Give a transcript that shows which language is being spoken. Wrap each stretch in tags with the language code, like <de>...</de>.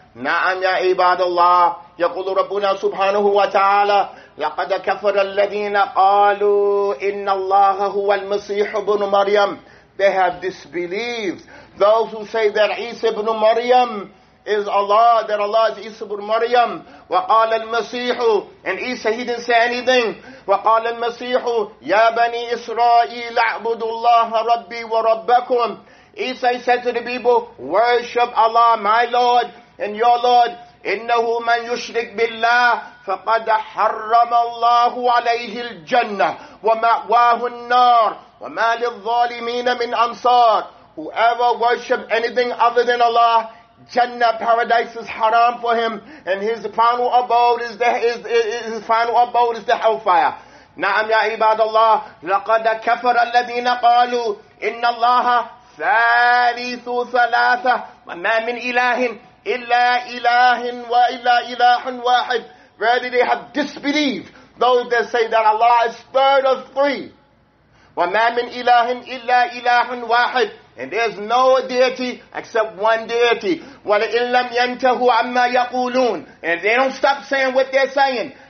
<ar>نَعَمْ يَا عِبَادَ اللَّهِ. يَقُولُ رَبُّنَا سُبْحَانَهُ وَتَعَالَى لَقَدْ كَفَرَ الَّذِينَ قَالُوا إِنَّ اللَّهَ هُوَ الْمَسِيحُ بْنُ مَرْيَمَ.</ar> <en>They have disbelieved. Those who say that Isa ibn Maryam is Allah, that Allah is Isa ibn Maryam.</en> <ar>وقال المسيح.</ar> <en>And Isa, he didn't say anything.</en> <ar>وقال المسيح يا بني إسرائيل اعبدوا الله ربي وربكم.</ar> <en>Isa, he said to the people, worship Allah, my Lord, and your Lord.</en> <ar>إنه من يشرك بالله فقد حرم الله عليه الجنة ومأواه النار وما للظالمين من أنصار.</ar> <en>Whoever worship anything other than Allah, Jannah, paradise is haram for him, and his final abode is the hellfire.</en> <ar>نعم يا عباد الله لقد كفر الذين قالوا إن الله ثالث ثلاثة وما من إله إلا إله وإلا إله واحد.</ar> <en>Verily they have disbelieved those that say that Allah is third of three.</en> <ar>وَمَا مِنْ إِلَٰهٍ إِلَّا إِلَٰهٍ وَاحِدٍ.</ar> <en>And there's no deity except one deity.</en> <ar>وَلَئِنْ لَمْ يَنْتَهُوا عَمَّا يَقُولُونَ.</ar> <en>And they don't stop saying what they're saying.</en>